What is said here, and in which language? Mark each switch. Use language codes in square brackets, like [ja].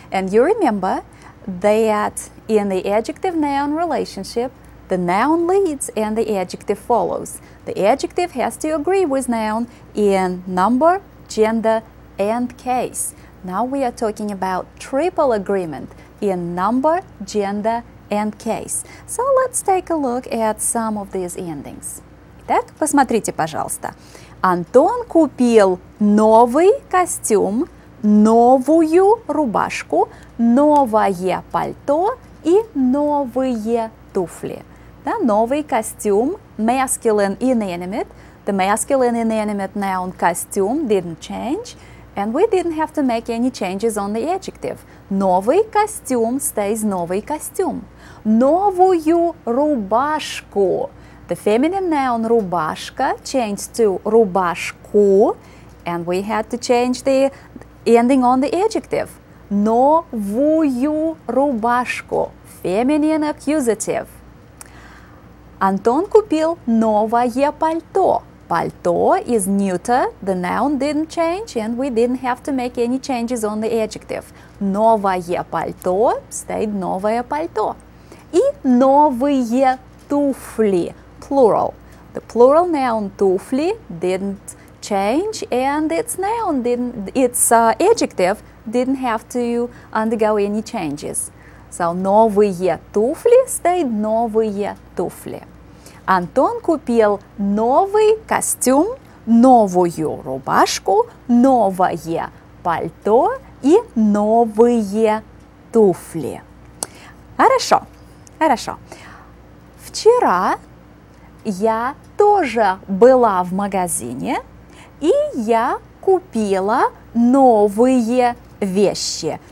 [en] And you remember that in the adjective noun relationship, the noun leads and the adjective follows. The adjective has to agree with noun in number, gender, and case. Now we are talking about triple agreement in number, gender, and case. So let's take a look at some of these endings. [ru] Так, посмотрите, пожалуйста. Антон купил новый костюм, новую рубашку, новое пальто и новые туфли. Да, новый костюм, [en] masculine inanimate. The masculine inanimate noun костюм didn't change. And we didn't have to make any changes on the adjective. [ru] Новый костюм [en] stays [ru] новый костюм. Новую рубашку. [en] The feminine noun рубашка changed to рубашку, and we had to change the ending on the adjective. [ru] Новую рубашку. [en] Feminine accusative. [ru] Антон купил новое пальто. [en] Пальто is neuter. The noun didn't change, and we didn't have to make any changes on the adjective. [ru] Новое пальто [en] stayed [ru] новое пальто. И новые туфли. Plural. [en] The plural noun туфли didn't change and its adjective didn't have to undergo any changes. So, [ru] новые туфли [en] stayed [ru] новые туфли. Антон купил новый костюм, новую рубашку, новое пальто и новые туфли. Хорошо, хорошо. Вчера я тоже была в магазине, и я купила новые вещи.